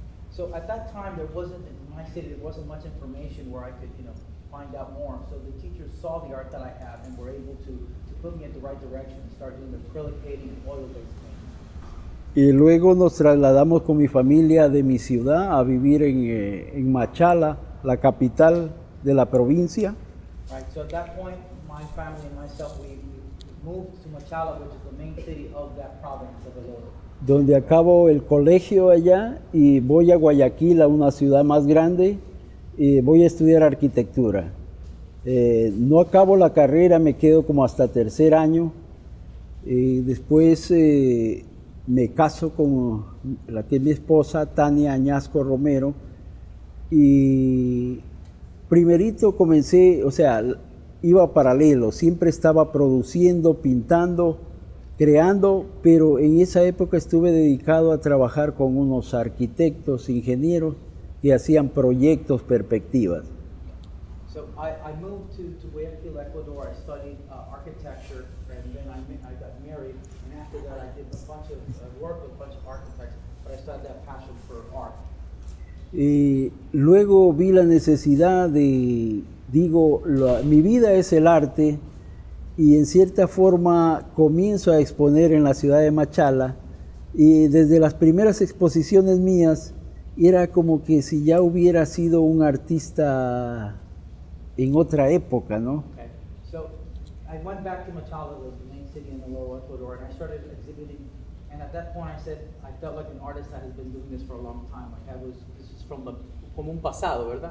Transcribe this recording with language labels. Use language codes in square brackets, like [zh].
[en] So at that time there wasn't, in my city, there wasn't much information where I could, you know, find out more. So the teachers saw the art that I have and were able to put me in the right direction and start doing the acrylic painting and oil based painting. [es] Y luego nos trasladamos con mi familia de mi ciudad a vivir en Machala, la capital de la provincia. [en] Right, so at that point, my family and myself, we moved to Machala, which is the main city of that province of Oloro. [es] Donde acabo el colegio allá y voy a Guayaquil, a una ciudad más grande, y voy a estudiar arquitectura. No acabo la carrera, me quedo como hasta tercer año. Después me caso con la que es mi esposa, Tania Añasco Romero, y primerito comencé, o sea, iba paralelo, siempre estaba produciendo, pintando, creando, pero en esa época estuve dedicado a trabajar con unos arquitectos, ingenieros, que hacían proyectos, perspectivas. [en] So I moved to Guayaquil, Ecuador. I studied architecture, and then I got married, and after that I did a bunch of work with a bunch of architects, but I started that passion for art. [es] Y luego vi la necesidad de, digo, mi vida es el arte, y en cierta forma comienzo a exponer en la ciudad de Machala, y desde las primeras exposiciones mías era como que si ya hubiera sido un artista en otra época, ¿no? [en] Okay. So I went back to Machala, the main city in the lower Ecuador, and I started exhibiting, and at that point I said I felt like an artist that has been doing this for a long time, like I was, this is from [es] como un pasado, ¿verdad?